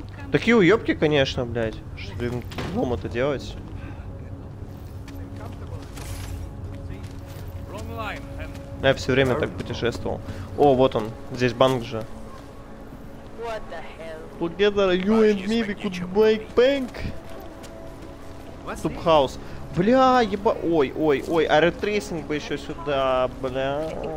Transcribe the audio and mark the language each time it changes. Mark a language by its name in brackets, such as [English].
[Russian] Такие уёбки, конечно, блядь, что им вам это делать. Я все время так путешествовал. О, вот он, здесь банк же. [English] Together, you and me, we could make bank. [Russian] Subhouse. Бля, еба... Ой, ой, ой, а ретрейсинг бы еще сюда, бля.